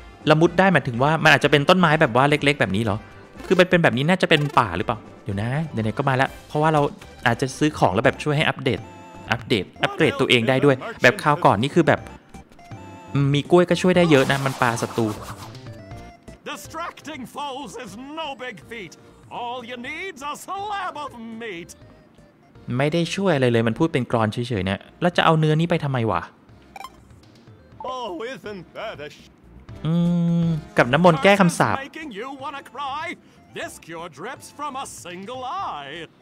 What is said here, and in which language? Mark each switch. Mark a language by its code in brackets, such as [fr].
[th] ละมุดได้หมายถึงว่ามันอาจจะเป็นต้นไม้แบบว่าเล็กๆแบบนี้เหรอคือมันเป็นแบบนี้น่าจะเป็นป่าหรือเปล่าเดี๋ยวนะไหนๆก็มาแล้วเพราะว่าเราอาจจะซื้อของแล้วแบบช่วยให้อัปเดตอัปเกรดตัวเองได้ด้วยแบบคราวก่อนนี่คือแบบมีกล้วยก็ช่วยได้เยอะนะมันปาศัตรู [en] Distracting foes is no big feat. All you need is a slab of meat. [th] ไม่ได้ช่วยอะไรเลยมันพูดเป็นกลอนเฉยๆเนี่ยแล้วจะเอาเนื้อนี้ไปทำไมวะ [en] Oh, isn't that a sh- [th] กับน้ำมนต์แก้คำสาป [en] Making you wanna cry. This cure drips from a single eye.